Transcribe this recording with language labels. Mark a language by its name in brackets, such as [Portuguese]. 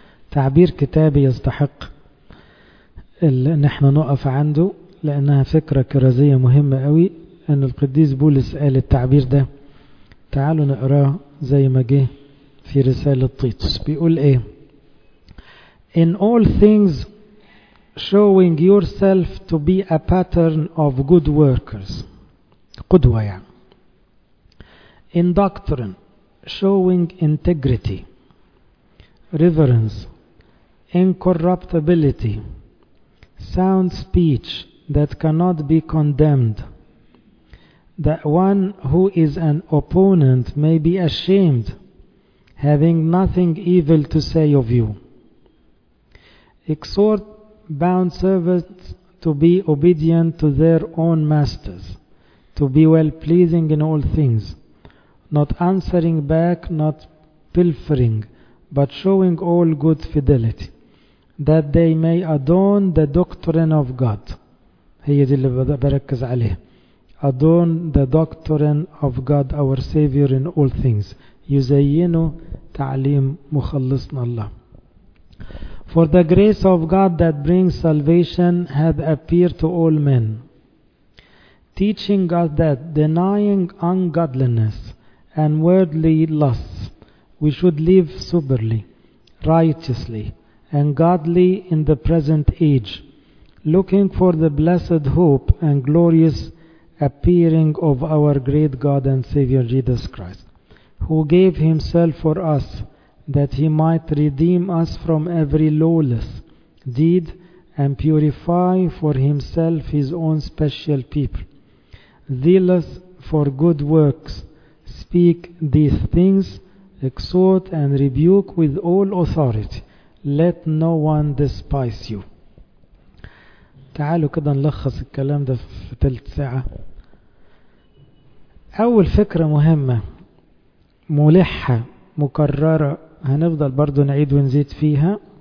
[Arabic] تعبير كتابي يستحق ان احنا نقف عنده، لانها فكرة كرازية مهمة قوي، ان القديس بولس قال التعبير ده، تعالوا نقراه زي ما جه في رسالة تيتوس. بيقول ايه؟ [English] In all things showing yourself to be a pattern of good workers. [Arabic] قدوة يعني. [English] In doctrine, showing integrity, reverence, incorruptibility, sound speech that cannot be condemned, that one who is an opponent may be ashamed, having nothing evil to say of you. Exhort bound servants to be obedient to their own masters, to be well-pleasing in all things, not answering back, not pilfering, but showing all good fidelity, that they may adorn the doctrine of God. [Arabic] هي دي اللي بركز عليها. [English] Adorn the doctrine of God, our Savior, in all things. [Arabic] يزينوا تعليم مخلصنا الله. [English] For the grace of God that brings salvation hath appeared to all men, teaching us that, denying ungodliness and worldly lusts, we should live soberly, righteously, and godly in the present age, looking for the blessed hope and glorious appearing of our great God and Savior Jesus Christ, who gave himself for us, that he might redeem us from every lawless deed and purify for himself his own special people, zealous for good works, speak these things, exhort and rebuke with all authority. Let no one despise you. [Arabic] تعالوا كده نلخص الكلام ده في 3 ساعة. أول فكرة مهمة ملحة مكررة هنفضل برضو نعيد ونزيد فيها.